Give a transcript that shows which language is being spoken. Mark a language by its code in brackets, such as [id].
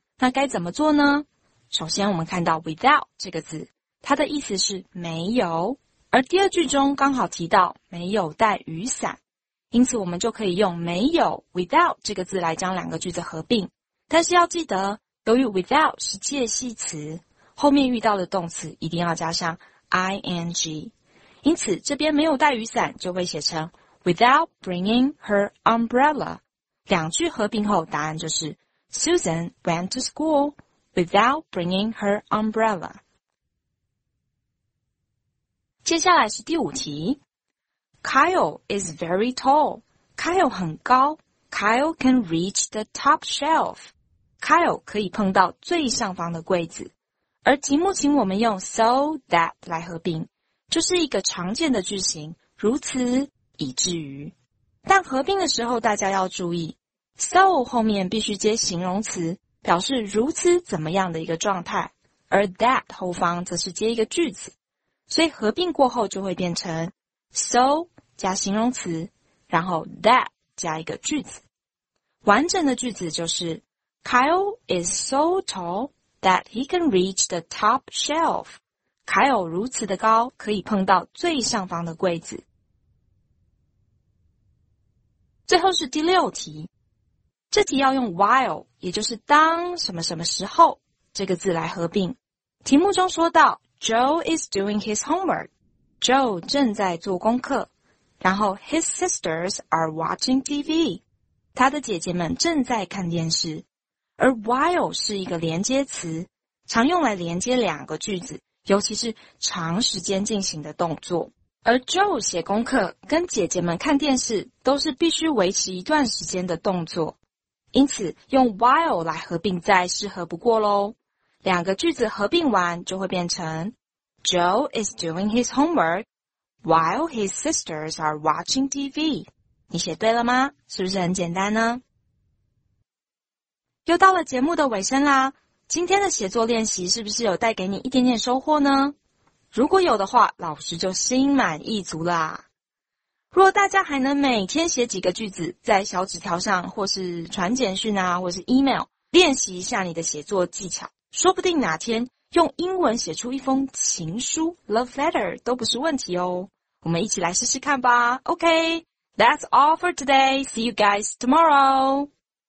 [zh] 那该怎么做呢？首先我们看到 without 这个字，它的意思是没有，而第二句中刚好提到没有带雨伞，因此我们就可以用没有 without 这个字来将两个句子合并。但是要记得，由于 without 是介系词，后面遇到的动词一定要加上 ing， 因此这边没有带雨伞就会写成 without bringing her umbrella。两句合并后答案就是 [en] Susan went to school without bringing her umbrella。 [zh] 接下来是第五题， [en] Kyle is very tall， [zh] Kyle 很高， [en] Kyle can reach the top shelf， [zh] Kyle 可以碰到最上方的柜子。而题目请我们用 so that 来合并，就是一个常见的句型，如此以至于。但合并的时候大家要注意， so 后面必须接形容词，表示如此怎么样的一个状态，而 that 后方则是接一个句子，所以合并过后就会变成 so 加形容词，然后 that 加一个句子。完整的句子就是 [en] Kyle is so tallThat he can reach the top shelf. [zh] Kyle 如此的高，可以碰到最上方的柜子。最后是第六题，这题要用 while， 也就是当什么什么时候这个字来合并。题目中说到 [en] Joe is doing his homework. Joe [zh] 正在做功课，然后 [en] his sisters are watching TV. [zh] 他的姐姐们正在看电视。而 while 是一个连接词，常用来连接两个句子，尤其是长时间进行的动作。而 Joe 写功课跟姐姐们看电视都是必须维持一段时间的动作，因此用 while 来合并再适合不过咯。两个句子合并完就会变成 [en] Joe is doing his homework while his sisters are watching TV。 [zh] 你写对了吗？是不是很简单呢？又到了节目的尾声啦，今天的写作练习是不是有带给你一点点收获呢？如果有的话，老师就心满意足啦。若大家还能每天写几个句子在小纸条上，或是传简讯啊，或是 email， 练习一下你的写作技巧，说不定哪天用英文写出一封情书 love letter 都不是问题哦。我们一起来试试看吧。 [en] OK， That's all for today. See you guys tomorrow.